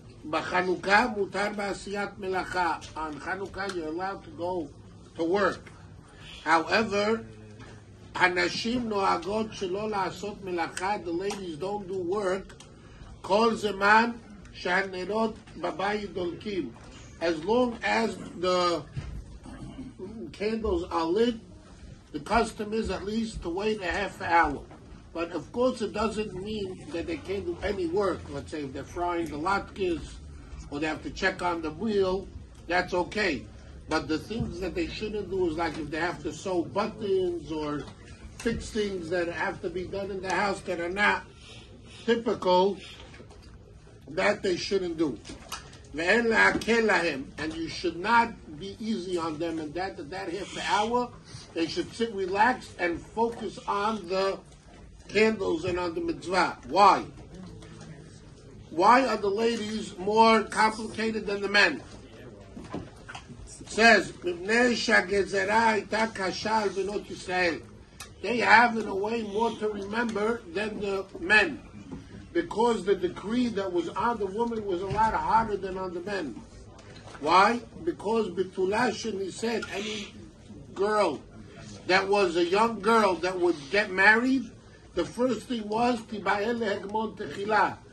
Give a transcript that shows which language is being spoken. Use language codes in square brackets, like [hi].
[he] בחנוכה מותר בעשיית מלאכה. [en] On חנוכה you're allowed to go to work. However, [he] הנשים נוהגות שלא לעשות מלאכה, [en] the ladies don't do work, [he] כל זמן שהנרות בבית דולקים. [en] As long as the candles are lit, the custom is at least to wait a half hour. But of course it doesn't mean that they can't do any work. Let's say if they're frying the latkes, or they have to check on the wheel, that's okay. But the things that they shouldn't do is like if they have to sew buttons or fix things that have to be done in the house that are not typical, that they shouldn't do. [he] ואין להקל להם, [en] and you should not be easy on them, and that half an hour, they should sit relaxed and focus on the candles and on the mitzvah. Why? Why are the ladies more complicated than the men? [he] Says, מפני שהגזרה הייתה קשה על בנות ישראל. [en] They have, in a way, more to remember than the men. Because the decree that was on the woman was a lot harder than on the men. Why? Because Betulashin, he said, any girl that was a young girl that would get married, the first thing was, Tiba'el Hegmon Techila.